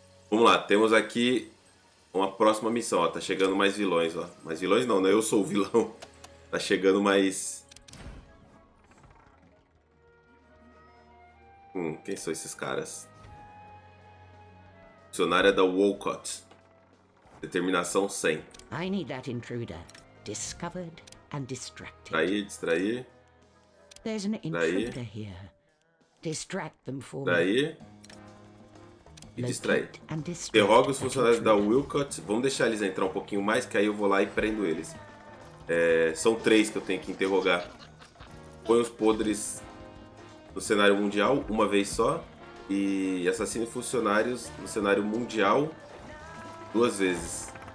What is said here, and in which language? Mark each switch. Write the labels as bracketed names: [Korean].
[Portuguese] Vamos lá, temos aqui uma próxima missão. Ó, tá chegando mais vilões, ó. Mais vilões não, né? Eu sou o vilão. Tá chegando mais... quem são esses caras? Funcionária da Wolcott. Determinação 100. [English] I need that intruder discovered and distracted. Distrair. There's an intruder here. Distract them for me. [Portuguese] e distrair. Interroga os funcionários da Wilcott. Vamos deixar eles entrar um pouquinho mais, que aí eu vou lá e prendo eles. É, são três que eu tenho que interrogar. Põe os podres no cenário mundial, uma vez só. E assassine funcionários no cenário mundial, duas vezes.